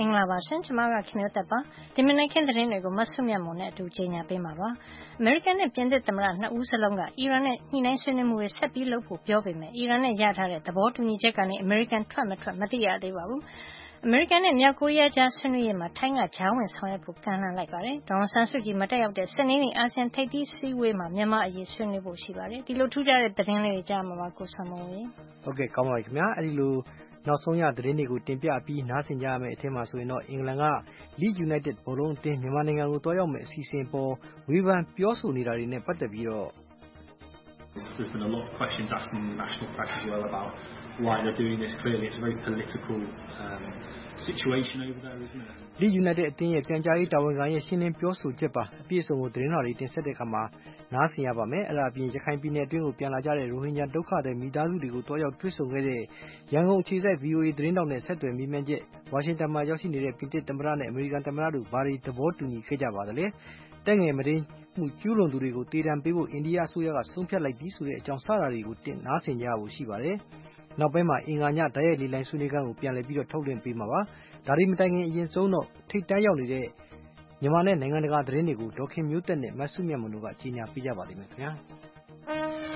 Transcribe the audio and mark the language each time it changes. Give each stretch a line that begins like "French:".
Burmese: ။မင်္ဂလာပါရှင်ကျွန်မကခင်ဗျာတက်ပါ။ဒီမနက်ခင်းသတင်းတွေကိုမဆွမြတ်မုံနဲ့အတူချိန်ညာပေးမှာပါ။အမေရိကန်နဲ့ပြင်သစ်သမ္မတနှစ်ဦးစလုံးကအီရန်နဲ့ညှိနှိုင်းဆွေးနွေးမှုတွေဆက်ပြီးလုပ်ဖို့ပြောပေမဲ့အီရန်နဲ့ရထားတဲ့သဘောတူညီချက်ကနေအမေရိကန်ထွက်မထွက်မသိရသေးပါဘူး။အမေရိကန်နဲ့မြောက်ကိုရီးယားကြားဆွေးနွေးရမှာထိုင်းကဂျာဝင်ဆောင်ရွက်ဖို့ကမ်းလှမ်းလိုက်ပါတယ်။ဒေါက်တာဆန်ဆွကြည်မတက်ရောက်တဲ့စနေနေ့အာဆီယံထိပ်သီးဆွေးနွေးမှာမြန်မာအရေးဆွေးနွေးဖို့ရှိပါတယ်။ဒီလိုထူးခြားတဲ့သတင်းလေးကြားမှာပါကိုဆမုံရေ ။ဟုတ်ကဲ့ကောင်းပါပြီခင်ဗျာ။အဲဒီလိုနောက်ဆုံးရသတင်းတွေကိုတင်ပြပြီးနားဆင်ကြရမယ့်အထက်မှာဆိုရင်တော့အင်္ဂလန်ကလီးဂျူနိုက်တက်ဘောလုံးအသင်းမြန်မာနိုင်ငံကိုတွားရောက်မယ့်အစီအစဉ်ပေါ်ဝေဖန်ပြောဆိုနေတာတွေနဲ့ပတ်သက်ပြီးတော့
English: There's been a lot of questions asking the national press as well about why they're doing this. Clearly, it's a very political situation over there, isn't it?
Burmese: ဒီ United အသင်းရဲ့ပြန်ကြားရေးတာဝန်ခံရဲ့ရှင်းလင်းပြောဆိုချက်ပါအပြည့်အစုံကိုသတင်းတော်တွေတင်ဆက်တဲ့အခါမှာနားဆင်ရပါမယ်။အဲ့ဒါအပြင်ရခိုင်ပြည်နယ်အတွင်းကိုပြန်လာကြတဲ့ရိုဟင်ဂျာဒုက္ခသည်မိသားစုတွေကိုတွားရောက်တွေ့ဆုံခဲ့တဲ့ ရန်ကုန်ခြေစိုက် VOA သတင်းတော်နဲ့ဆက်သွယ်မိမှန်းချက်ဝါရှင်တန်မှာရောက်ရှိနေတဲ့ပြည်ထောင်တမရနဲ့အမေရိကန်တမရတို့ဘာတွေသဘောတူညီခဲ့ကြပါသလဲ။တက်ငယ်မတင်းမှုကျူးလွန်သူတွေကိုတည်တံပေးဖို့အိန္ဒိယအစိုးရကဆုံးဖြတ်လိုက်ပြီးဆိုတဲ့အကြောင်းစာရာတွေကိုတင်နားဆင်ကြဖို့ရှိပါတယ်။နောက်ပိုင်းမှာအင်္ဂါညတရက်လီလိုင်းဆွေးနွေးခန်းကိုပြန်လည်ပြီးတော့ထုတ်လွှင့်ပေးမှာပါ။ဒါရီမတိုင်ခင်အရင်ဆုံးတော့ထိတ်တန့်ရောက်နေတဲ့မြန်မာနဲ့နိုင်ငံတကာသတင်းတွေကိုဒေါခင်မျိုးတက်နဲ့မဆုမြတ်မလို့ကအကြီးညာပေးကြပါသေးမယ်ခင်ဗျာ